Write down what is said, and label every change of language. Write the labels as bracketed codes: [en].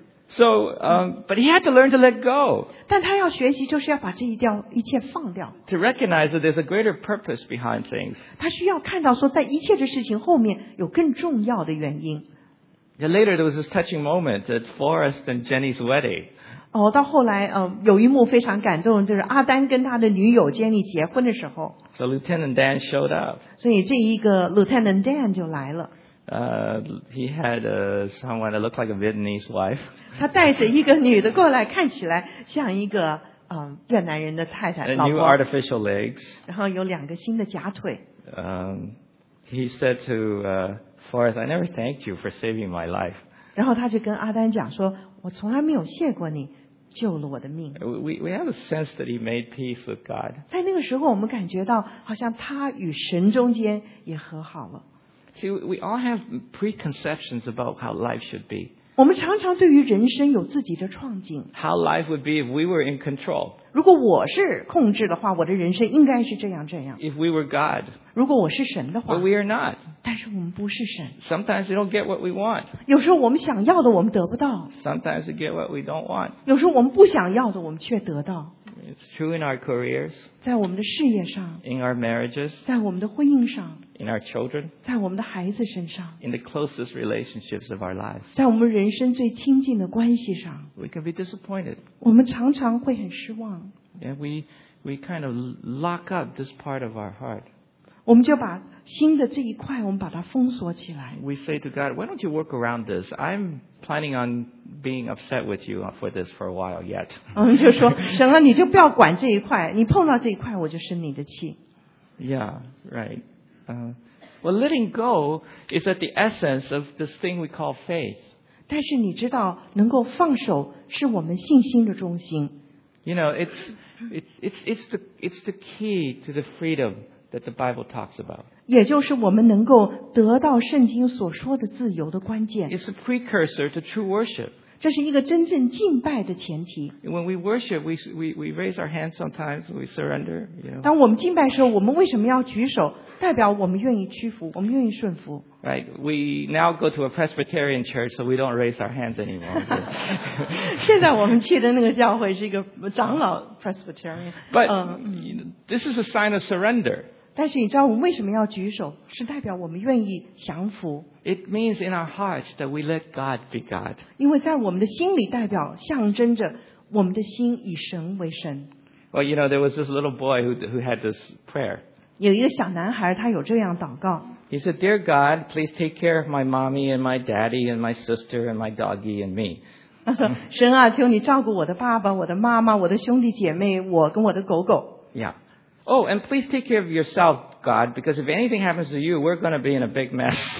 [en] So, but he had to learn to let go. [zh] 但他要学习，就是要把这一切放掉。 [en] To recognize that there's a greater purpose behind things. [zh] 他需要看到说，在一切的事情后面有更重要的原因。 [en] Yeah, later, there was this touching moment at Forrest and Jenny's wedding. [zh] 哦，到后来，有一幕非常感动，就是阿丹跟他的女友 Jenny 结婚的时候。 [en] So Lieutenant Dan showed up. [zh] 所以这一个 Lieutenant Dan 就来了。 [en] He had someone that looked like a Vietnamese wife. [zh] 他带着一个女的过来，看起来像一个越南人的太太。 [en] And new artificial legs. [zh] 然后有两个新的假腿。 [en] He said to Forrest, "I never thanked you for saving my life." [zh] 然后他就跟阿丹讲说，我从来没有谢过你。救了我的命。 [en] We have a sense that he made peace with God. [zh] 在那个时候，我们感觉到好像他与神中间也和好了。 [en] See, we all have preconceptions about how life should be. [zh] 我们常常对于人生有自己的憧憬。 [en] How life would be if we were in control. [zh] 如果我是控制的话，我的人生应该是这样这样。 [en] If we were God. [zh] 如果我是神的话。 [en] But we are not. [zh] 但是我们不是神。 [en] Sometimes we don't get what we want. [zh] 有时候我们想要的我们得不到。 [en] Sometimes we get what we don't want. [zh] 有时候我们不想要的我们却得到。 [en] It's true in our careers. [zh] 在我们的事业上。 [en] In our marriages. [zh] 在我们的婚姻上。 [en] In our children. [zh] 在我们的孩子身上。 [en] In the closest relationships of our lives. [zh] 在我们人生最亲近的关系上。 [en] We can be disappointed. [zh] 我们常常会很失望。 [en] And we kind of lock up this part of our heart. [zh] 我们就把新的这一块我们把它封锁起来。 [en] We say to God, why don't you work around this? I'm planning on being upset with you for this for a while yet. [zh] 我们就说，神啊，你就不要管这一块，你碰到这一块我就生你的气。 [en] Yeah, right. Well, letting go is at the essence of this thing we call faith. [zh] 但是你知道，能够放手是我们信心的中心。 [en] You know, it's the key to the freedom. That the Bible talks about. [zh] 也就是我们能够得到圣经所说的自由的关键。 [en] It's a precursor to true worship. [zh] 这是一个真正敬拜的前提。 [en] When we worship, we raise our hands sometimes, we surrender. You know. [zh] 当我们敬拜的时候，我们为什么要举手？代表我们愿意屈服，我们愿意顺服。 [en] Right. We now go to a Presbyterian church, so we don't raise our hands anymore. [zh] 现在我们去的那个教会是一个长老 Presbyterian. [en] But this is a sign of surrender. [zh] 但是你知道我们为什么要举手？是代表我们愿意降服。 [en] It means in our hearts that we let God be God. [zh] 因为在我们的心里代表象征着我们的心以神为神。 [en] Well, you know, there was this little boy who had this prayer. [zh] 有一个小男孩，他有这样祷告。 [en] He said, "Dear God, please take care of my mommy and my daddy and my sister and my doggy and me." [zh] 他说：“神啊，求你照顾我的爸爸、我的妈妈、我的兄弟姐妹、我跟我的狗狗。 [en] ”Yeah. Oh, and please take care of yourself, God, because if anything happens to you, we're going to be in a big mess.